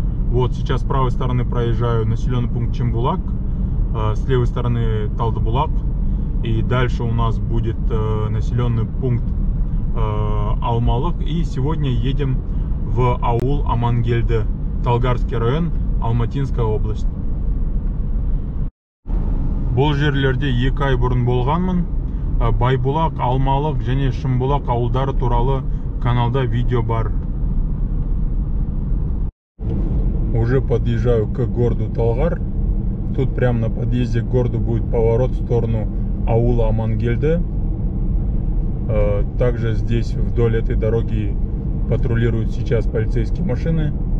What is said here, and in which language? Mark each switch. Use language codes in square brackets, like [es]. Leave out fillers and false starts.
[ru] Вот сейчас с правой стороны проезжаю населенный пункт Чимбулак, с левой стороны Талдыбулак. И дальше у нас будет населенный пункт Алмалык. И сегодня едем в аул Амангельды, Талгарский район, Алматинская область. [kk] Бұл жерлерде 2 ай бұрын болғанмын. Байбулак, Алмалык және Шымбулак ауылдары туралы каналда видео бар. [ru] Уже подъезжаю к городу Талгар. Тут прямо на подъезде к городу будет поворот в сторону аула Амангельды. Также здесь вдоль этой дороги патрулируют сейчас полицейские машины.